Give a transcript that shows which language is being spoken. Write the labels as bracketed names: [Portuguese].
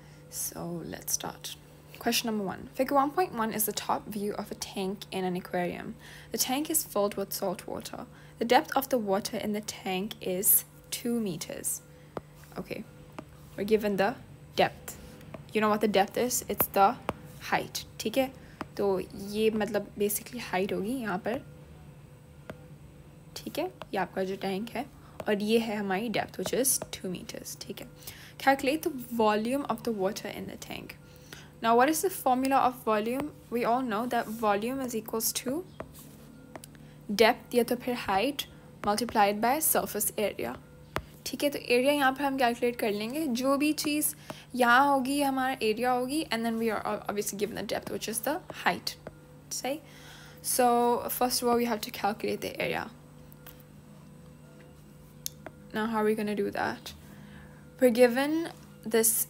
[English] So let's start. Question number one. Figure 1.1 is the top view of a tank in an aquarium. The tank is filled with salt water. The depth of the water in the tank is 2 meters. Okay, we're given the depth. You know what the depth is? It's the height. [Hindi] ठीक है? तो ये मतलब basically height होगी यहाँ पर. ठीक है? ये आपका जो tank है. और ये है हमारी depth, [English] which is 2 meters. [Hindi] ठीक है? [English] Calculate the volume of the water in the tank. Now, what is the formula of volume? We all know that volume is equals to depth [Hindi] ya to phir [English] height multiplied by surface area. [Hindi] ठीक है, तो area यहाँ पर हम calculate कर लेंगे. जो भी चीज़ यहाँ होगी हमारा area होगी, [English] and then we are obviously given the depth, which is the height. Say, so first of all, we have to calculate the area. Now, how are we gonna do that? We're given this.